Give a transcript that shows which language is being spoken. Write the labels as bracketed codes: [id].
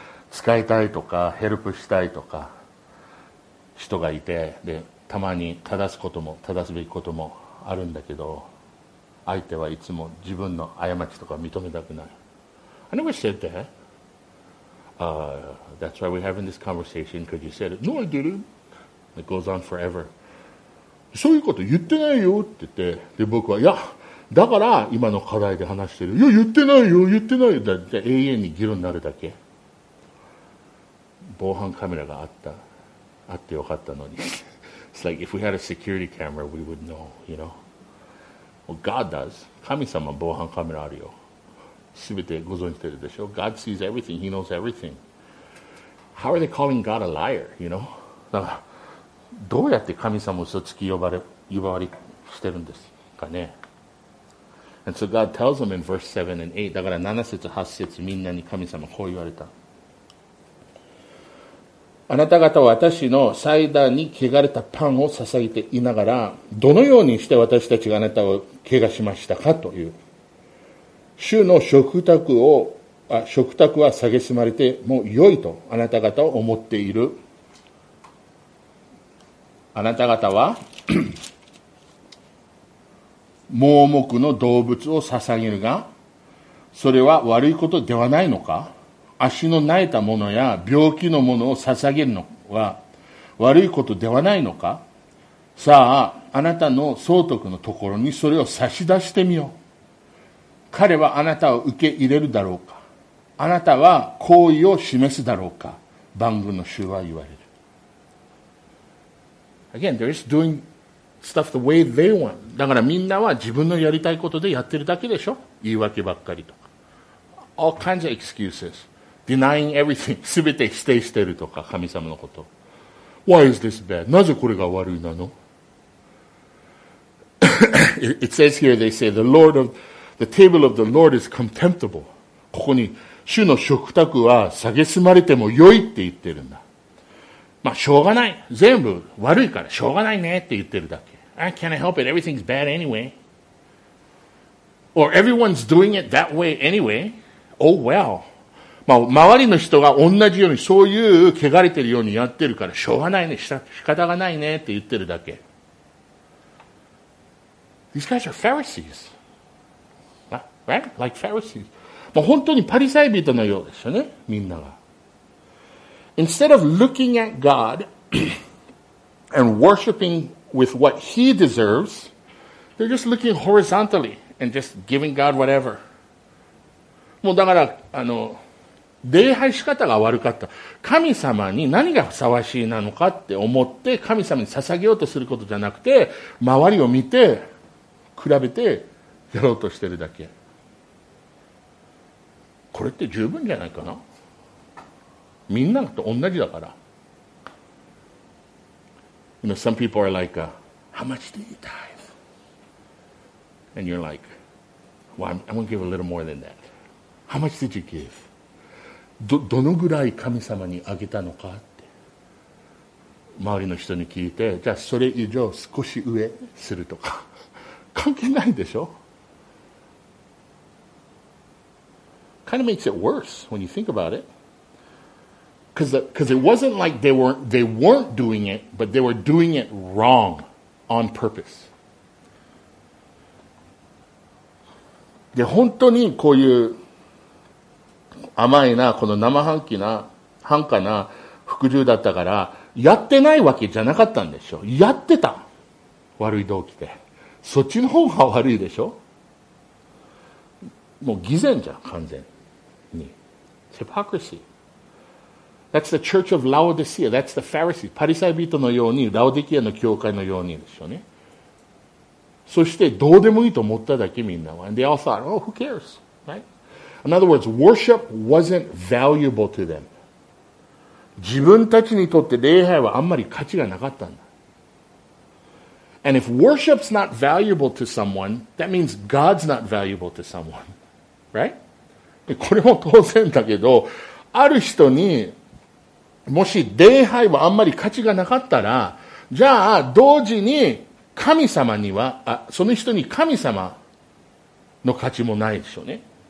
[ja] 使いたいとか、ヘルプしたいとか、人がいて、で、たまに正すことも、正すべきこともあるんだけど、相手はいつも自分の過ちとか認めたくない。 [en] I never said that. That's why we're having this conversation, because you said it. No, I didn't. It goes on forever. [ja] そういうこと言ってないよって言って、で、僕は、いや、だから今の課題で話してる。いや、言ってないよ、言ってないよ。だって永遠に議論になるだけ。防犯カメラがあった。あってよかったのに。 [en] It's like if we had a security camera, we would know, you know? Well, God does. [ja] 神様は防犯カメラあるよ。すべてご存知してるでしょ [en] ?God sees everything. He knows everything. How are they calling God a liar, you know? [ja] だから、どうやって神様を嘘つき呼ばわりしてるんですかね。 [en] And so God tells them in verse 7 and 8, [ja] だから7節8節みんなに神様こう言われた。あなた方は私の祭壇に汚れたパンを捧げていながら、どのようにして私たちがあなたを汚しましたかという。主の食卓を、食卓は蔑まれてもう良いとあなた方を思っている。あなた方は、盲目の動物を捧げるが、それは悪いことではないのか。足の苗たものや病気のものを捧げるのは悪いことではないのか。さあ、あなたの総督のところにそれを差し出してみよう。彼はあなたを受け入れるだろうか。あなたは好意を示すだろうか。万軍の主は言われる。 [en] Again, they're just doing stuff the way they want. [ja] だからみんなは自分のやりたいことでやってるだけでしょ。言い訳ばっかりとか。 [en] All kinds of excuses. Denying everything, [ja] 全て否定してるとか、神様のこと。 [en] Why is this bad? [ja] なぜこれが悪いなの [en] ?It says here, they say, the Lord of, the table of the Lord is contemptible. [ja] ここに、主の食卓は蔑まれても良いって言ってるんだ。まあ、しょうがない。全部悪いから、しょうがないねって言ってるだけ。 [en] I can't help it. Everything's bad anyway. Or everyone's doing it that way anyway. Oh well. [ja] まあ、周りの人が同じようにそういう汚れてるようにやってるからしょうがないね、仕方がないねって言ってるだけ。 [en] These guys are Pharisees. Right? Like Pharisees. [ja] まあ、本当にパリサイ人のようですよね、みんなが。 [en] Instead of looking at God and worshiping with what he deserves, they're just looking horizontally and just giving God whatever. [ja] もうだから、礼拝仕方が悪かった。神様に何がふさわしいなのかって思って神様に捧げようとすることじゃなくて、周りを見て比べてやろうとしてるだけ。これって十分じゃないかな。みんなと同じだから。 [en] You know, some people are like, how much do you tithe? And you're like, well, I'm going to give a little more than that. How much did you give? [ja] どのぐらい神様にあげたのかって周りの人に聞いて、じゃあそれ以上少し上するとか関係ないでしょ。 [en] Kind of makes it worse when you think about it, because it wasn't like they weren't doing it, but they were doing it wrong on purpose. [ja] で本当にこういう甘いな、この生半気な、半可な服従だったから、やってないわけじゃなかったんでしょ。やってた。悪い動機で。そっちの方が悪いでしょ。もう偽善じゃん、完全に。 [en] It's hypocrisy. That's the Church of Laodicea. That's the Pharisees. [ja] パリサイ人のように、ラオディキアの教会のようにでしょうね。そして、どうでもいいと思っただけ、みんなは。 [en] And they all thought, oh, who cares? Right? In other words, worship wasn't valuable to them. [ja] 自分たちにとって礼拝はあんまり価値がなかったんだ。 [en] And if worship's not valuable to someone, that means God's not valuable to someone. Right? [ja] で、これも当然だけど、ある人にもし礼拝はあんまり価値がなかったら、じゃあ同時に神様には、あ、その人に神様の価値もないでしょうね。